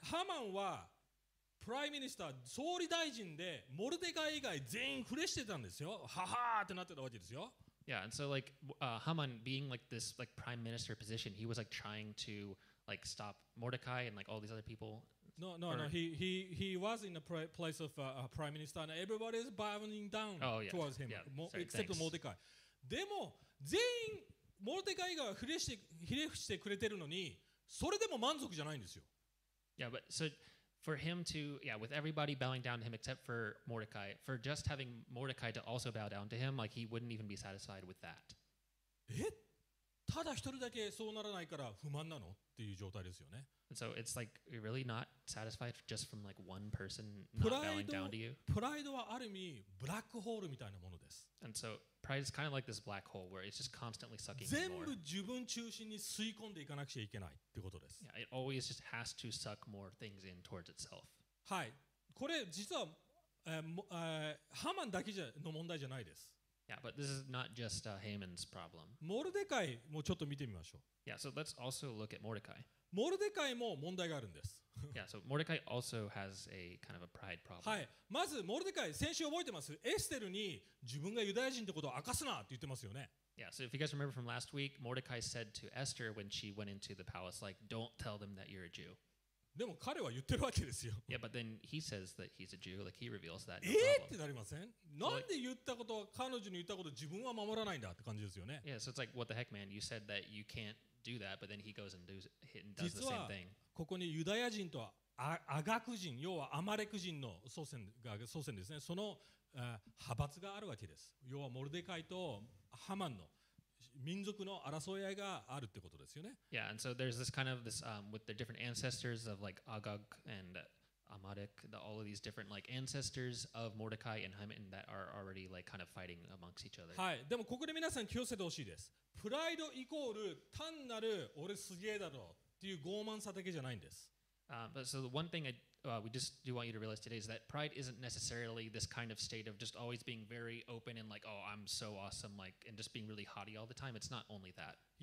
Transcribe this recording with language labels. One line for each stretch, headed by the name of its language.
Japanese: ハマンはプライムミニスター、総理大臣でモルデカイ以外全員フレしてたんですよ。ははーってなってたわけですよ。
English: Yeah, and so like Haman being like this like prime minister position, he was like trying to like stop Mordecai and like all these other people. No. He was in the place of prime minister, and everybody is bowing down towards him, except Mordecai.
Japanese: でも全員モルデカイ以外フレしてひれ伏してくれてるのに、それでも満足じゃないんですよ。
English: Yeah, but so. For him to, yeah, with everybody bowing down to him except for Mordecai, for just having Mordecai to also bow down to him, like he wouldn't even be satisfied with that.
Japanese: ただ一人だけそうならないから不満なのっていう状態ですよね。
English: And so it's like you're really not satisfied just from like one person not bowing down to you.
Japanese: プライドはある意味ブラックホールみたいなものです。
English: And so pride is kind of like this black hole where it's just constantly sucking more.
Japanese: 全部自分中心に吸い込んでいかなくちゃいけないってことです。
English: Yeah, it always just has to suck more things in towards itself.
Japanese: はい、これ実はハマンだけの問題じゃないです。
English: Yeah, but this is not just Haman's problem.
Japanese: モルデカイもちょっと見てみましょう。
English: Yeah, so let's also look at Mordecai.
Japanese: モルデカイも問題があるんです。
English: Yeah, so Mordecai also has a kind of a pride problem.
Japanese: はい、まずモルデカイ、先週覚えてます。エステルに自分がユダヤ人ってことを明かすなって言ってますよね。
English: Yeah, so if you guys remember from last week, Mordecai said to Esther when she went into the palace, like, don't tell them that you're a Jew.
Japanese: でも彼は言ってるわけですよ。
English: Yeah, but then he says that he's a Jew, like he reveals that.
Japanese: ってなりません？なんで言ったことは彼女に言ったことを自分は守らないんだって感じですよね。
English: Yeah, so it's like, what the heck, man? You said that you can't do that, but then he goes and does the same thing.
Japanese: 実はここにユダヤ人とアガク人、要はアマレク人の祖先ですね。その派閥があるわけです。要はモルデカイとハマンの民族の争い合いがあるってことですよね。
English: Yeah, and so there's this kind of this, with the different ancestors of like Agag and Amalek, all of these different like ancestors of Mordecai and Haman that are already like kind of fighting amongst each other.
Japanese: はい、でもここで皆さん気をつけてほしいです。プライドイコール単なる俺すげえだろっていう傲慢さだけじゃないんです。
English: But so the one thing I,we just do want you to realize today is that pride isn't necessarily this kind of state of just always being very open and like, oh, I'm so awesome, like, and just being really haughty all the time. It's not only that.